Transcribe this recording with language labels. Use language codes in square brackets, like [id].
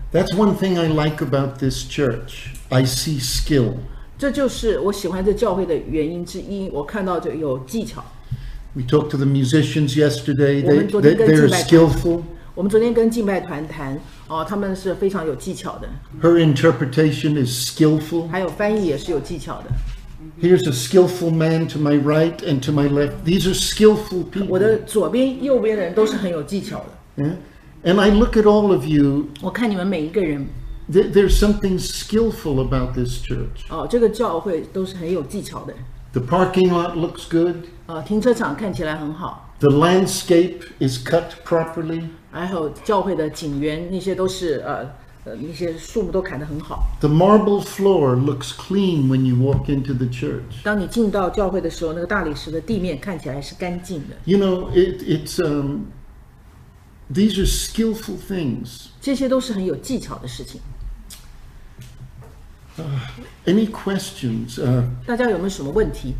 [en] That's one thing I like about this church. I see skill. [zh] 这就是我喜欢这教会的原因之一，我看到就有技巧。 [en] We talked to the musicians yesterday. They're skillful. [zh] 我们昨天跟敬拜团谈，他们是非常有技巧的。 [en] Her interpretation is skillful. [zh] 还有翻译也是有技巧的。 [en] Here's a skillful man to my right and to my left. These are skillful people. [zh] 我的左边、右边的人都是很有技巧的。 [en] And I look at all of you. [zh] 我看你们每一个人。 [en] There's something skillful about this church. [zh] 这个教会都是很有技巧的。 [en] The parking lot looks good. [zh] 停车场看起来很好。 [en] The landscape is cut properly. [zh] 还有教会的景园，那些都是那些树木都砍得很好。 [en] The marble floor looks clean when you walk into the church. [zh] 当你进到教会的时候，那个大理石的地面看起来是干净的。 [en] You know, it's These are skillful things. [zh] 这些都是很有技巧的事情。 [en] Any questions? [zh] 大家有没有什么问题？